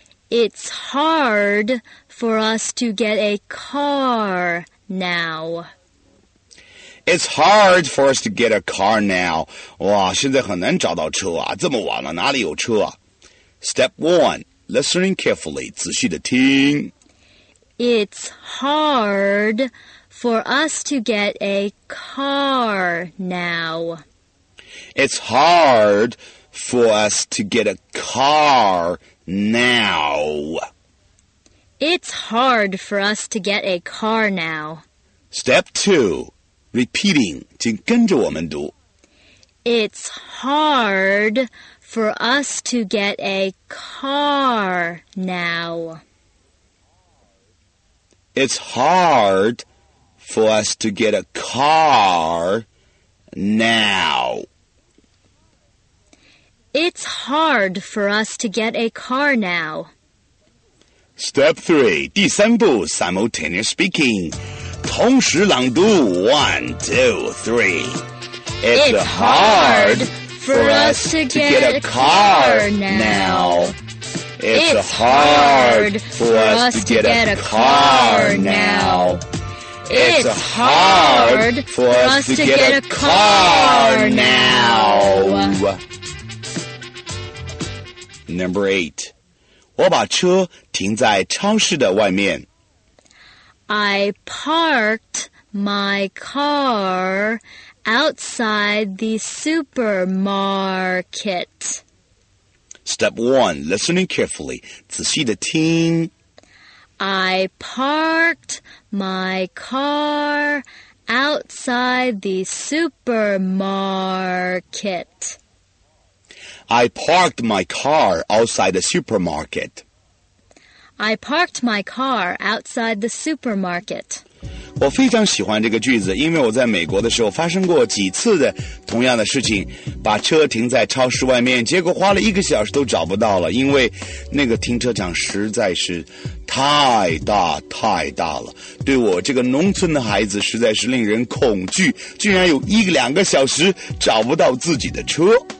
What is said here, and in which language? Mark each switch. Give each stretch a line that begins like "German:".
English: It's hard for us to get a car now. It's hard for us to get a car now.
Chinese: 哇，现在很难找到车啊，这么晚了，哪里有车啊？
English: Step 1, listening carefully,
Chinese: 仔细地听。
English: It's hard for us to get a car now. It's hard for us to get a car now. It's hard for us to get a car now. Step 2. Repeating,
Chinese: 请跟着我们读。
English: It's hard for us to get a car now. It's hard for us to get a car now. It's hard for us to get a car now. Step 3,
Chinese: 第三步
English: simultaneous speaking.
Chinese: 同时朗读
English: One, two, three. It's hard for us to get a car now. It's hard for us to get a car now. It's hard for us to get a car now. Number 8.
Chinese: 我把车停在超市的外面。
English: I parked my car outside the supermarket. Step 1, listening carefully.
Chinese: 仔细地听。
English: I parked my car outside the supermarket. I parked my car outside the supermarket. I parked my car outside the supermarket.
Chinese: 我非常喜欢这个句子，因为我在美国的时候发生过几次的同样的事情，把车停在超市外面，结果花了一个小时都找不到了，因为那个停车场实在是太大太大了，对我这个农村的孩子实在是令人恐惧，竟然有一两个小时找不到自己的车。